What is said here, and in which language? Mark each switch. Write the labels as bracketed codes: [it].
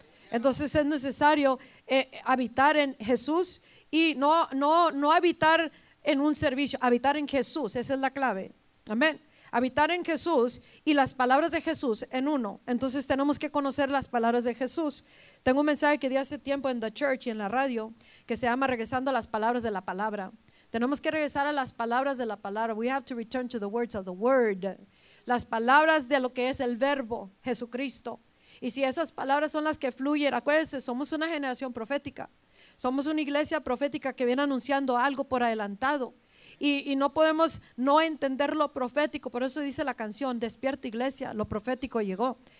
[es] Entonces es necesario habitar en Jesús, y no habitar en un servicio, habitar en Jesús, esa es la clave, amén. Habitar en Jesús y las palabras de Jesús en uno. Entonces tenemos que conocer las palabras de Jesús. Tengo un mensaje que di hace tiempo en The Church y en la radio, que se llama Regresando a las palabras de la palabra. Tenemos que regresar a las palabras de la palabra. [en] We have to return to the words of the word. [es] Las palabras de lo que es el verbo, Jesucristo. Y si esas palabras son las que fluyen, acuérdense, somos una generación profética. Somos una iglesia profética que viene anunciando algo por adelantado. Y no podemos no entender lo profético. Por eso dice la canción, despierta iglesia, lo profético llegó.